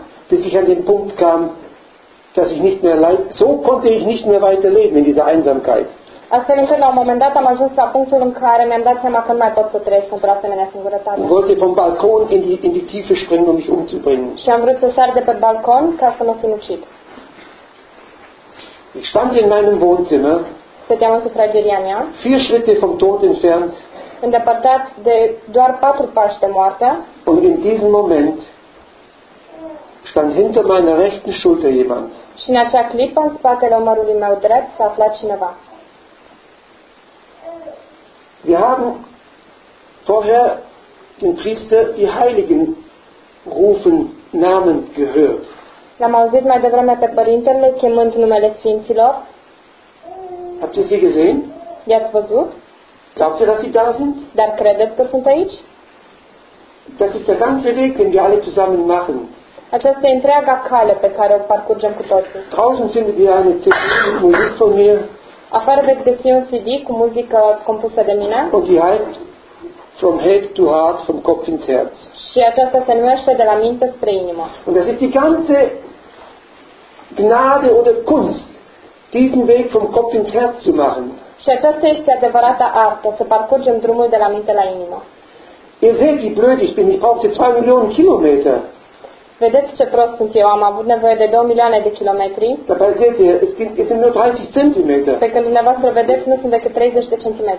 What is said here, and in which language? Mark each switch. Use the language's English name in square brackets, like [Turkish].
[German] Bis ich an den Punkt kam, dass ich nicht mehr leid, so konnte ich nicht mehr weiterleben in dieser Einsamkeit. [Romanian] Astfel încât la un moment dat am ajuns la punctul în care mi-am dat seama că nu mai pot să trăiesc într-o asemenea singurătate. [German] Wollte vom Balkon in die Tiefe springen, um mich umzubringen. [Romanian] Și am vrut să sar de pe balcon ca să mă sinucid. [German] Ich stand in meinem Wohnzimmer. [Romanian] Stăteam în sufrageria mea. [German] 4 Schritte vom Tod entfernt. [Romanian] Îndepărtat de doar 4 pași de moarte. [German] Und in diesem Moment stand hinter meiner rechten Schulter jemand. [Romanian] Și în acea clipă, în spatele umărului meu drept, s-a aflat cineva. [German] Wir haben vorher den Priester die Heiligen rufen Namen gehört. [Romanian] L-am auzit mai devreme pe părintele chemând numele sfinților. [German] A Habt ihr sie gesehen? [Romanian] I-ați văzut? [German] Glaubt ihr, dass sie da sind? [Romanian] Dar credeți că sunt aici? [German] Das ist der ganze Weg, den wir alle zusammen machen. [Romanian] Aceasta e întreaga cale pe care o parcurgem cu toții. [German] Draußen findet ihr eine CD mit Musik von mir. [Romanian] Afară veți găsi un CD cu muzică compusă de mine. [German] Und die heißt From Head to Heart, From Kopf ins Herz. [Romanian] Și aceasta se numește De la minte spre inimă. [German] Und das ist die ganze Gnade oder Kunst, diesen Weg vom Kopf ins Herz zu machen. [Romanian] Și aceasta este adevărata artă, să parcurgem drumul de la minte la inimă. [German] Ihr seht, wie blöd ich bin, ich brauchte 2 Millionen Kilometer. [Romanian] Vedeți ce prost sunt eu, am avut nevoie de 2 milioane de kilometri. [German] Dabei seht ihr, es sind nur 30 cm. [Romanian] Pe când dumneavoastră vedeți, nu sunt decât 30 de cm.